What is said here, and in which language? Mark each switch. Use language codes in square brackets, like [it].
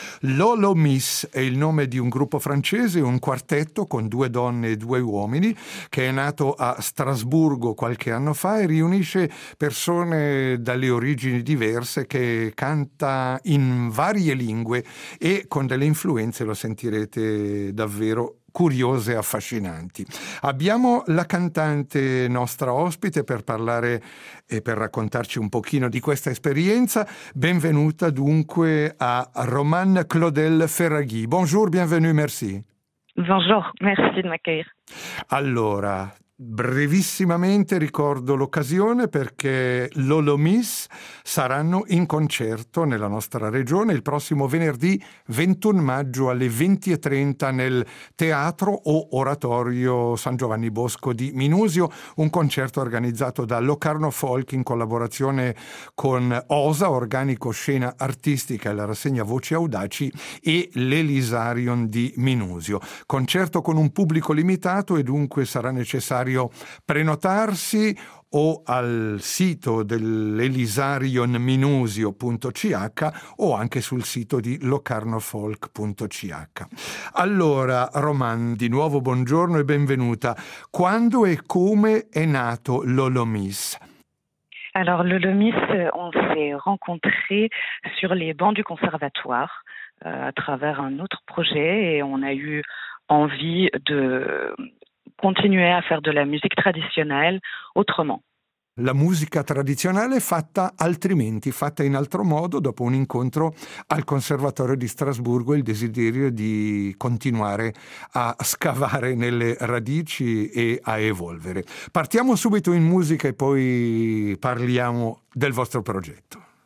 [it] Lolo Miss è il nome di un gruppo francese, un quartetto con due donne e due uomini, che è nato a Strasburgo qualche anno fa e riunisce persone dalle origini diverse che canta in varie lingue e con delle influenze, lo sentirete davvero, curiose e affascinanti. Abbiamo la cantante nostra ospite per parlare e per raccontarci un pochino di questa esperienza. Benvenuta dunque a Romane Claudel Ferraghi. [fr] Bonjour, bienvenue, merci. Bonjour, merci de m'accueillir. [it] Allora, brevissimamente ricordo l'occasione perché Lolo Miss saranno in concerto nella nostra regione il prossimo venerdì 21 maggio alle 20:30 nel Teatro o Oratorio San Giovanni Bosco di Minusio, un concerto organizzato da Locarno Folk in collaborazione con OSA, Organico Scena Artistica e la rassegna Voci Audaci e l'Elisarion di Minusio. Concerto con un pubblico limitato e dunque sarà necessario prenotarsi o al sito dell'elisarionminusio.ch o anche sul sito di locarnofolk.ch. Allora, Roman, di nuovo buongiorno e benvenuta. Quando e come è nato Lolo Miss? [fr] Alors, Lolo Miss, on s'est rencontré sur les bancs du conservatoire à travers un autre projet et on a eu envie de continuer à faire de la musique traditionnelle autrement. [it] La musica tradizionale fatta altrimenti, fatta in altro modo, dopo un incontro al Conservatorio di Strasburgo, il desiderio di continuare a scavare nelle radici e a evolvere. Partiamo subito in musica e poi parliamo del vostro progetto.